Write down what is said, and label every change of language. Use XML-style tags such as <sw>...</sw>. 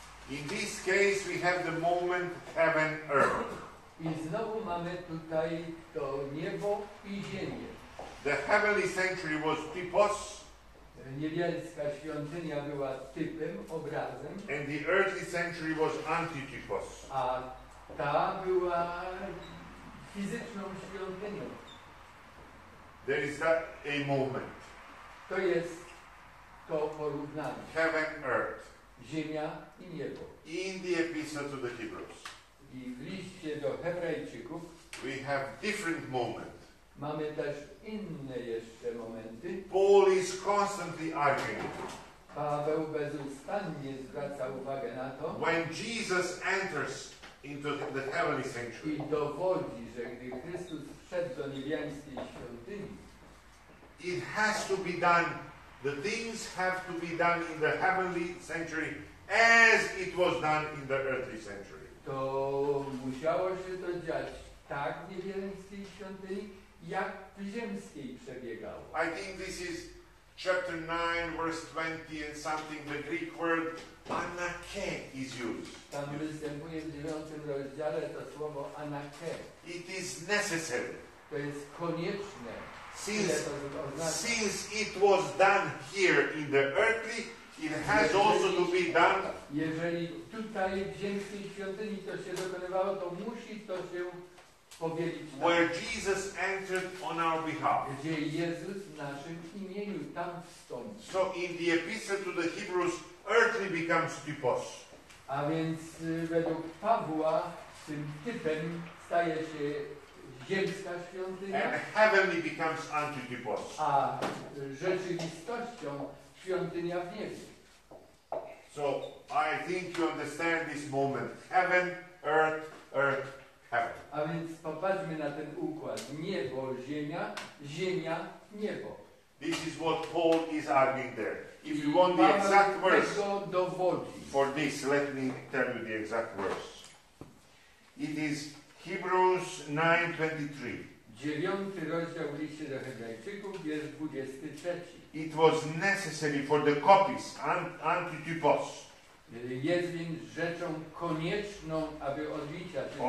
<en>In this case we have the moment heaven earth.</en> <pl>I znowu mamy tutaj to niebo i ziemię.</pl> <en>The heavenly sanctuary was typos.</en> <pl>Niebiańska świątynia była typem, obrazem.</pl> <en>And the earthly sanctuary was antitypos.</en> <pl>A ta była fizyczną świątynię.</pl> <en>There is that a moment.</en> <pl>To jest to porównanie.</pl> <en>Heaven, earth.</en> <pl>Ziemia i niebo.</pl> <en>In the epistle to the Hebrews.</en> <pl>I w liście do Hebrajczyków.</pl> <en>We have different moment.</en> <pl>Mamy też inne jeszcze momenty.</pl> <en>Paul is constantly arguing.</en> <pl>Paweł bezustannie zwraca uwagę na to.</pl> <en>When Jesus enters into the heavenly sanctuary.</en> <pl>I dowodzi, że gdy Chrystus wszedł do niebiańskiej świątyni.</pl> <en>It has to be done. The things have to be done in the heavenly sanctuary as it was done in the earthly sanctuary.</en> <pl>To musiało się to dziać tak w niebiańskiej świątyni, jak w ziemskiej przebiegało.</pl> <en>I think this is chapter 9, verse 20 and something, the Greek word anake is used.</en> <pl>Tam występuje w 9 rozdziale to słowo anake.</pl> <en>It is necessary.</en> <pl>To jest konieczne.</pl> <en>Since it was done here in the earthly, it has</en> <pl>jeżeli,</pl> <en>also to be done.</en> <pl>Jeżeli tutaj w ziemskiej świątyni to się dokonywało, to musi to się powielić.</pl> <en>Where Jesus entered on our behalf.</en> <pl>Gdzie Jezus w naszym imieniu tam wstąpił.</pl> <en>So in the epistle to the Hebrews, earthly becomes typos.</en> <pl>A więc według Pawła tym typem staje się ziemska świątynia.</pl> <en>And heavenly becomes antitypos.</en> <pl>A rzeczywistością świątynia w niebie.</pl> <en>So I think you understand this moment. Heaven, earth, earth. A więc popatrzmy na ten układ.</en> <pl>Niebo, ziemia, ziemia, niebo.</pl> <en>This is what Paul is arguing there. If you want the exact words</en> <pl>dowodzi.</pl> <en>For this, let me tell you the exact words. It is Hebrews 9:23.</en> <pl>Dziewiąty rozdział listu do Hebrajczyków, jest 23.</pl> <en>It was necessary for the copies, antitypos.</en> <pl>Jest więc rzeczą konieczną, aby odbicia</pl>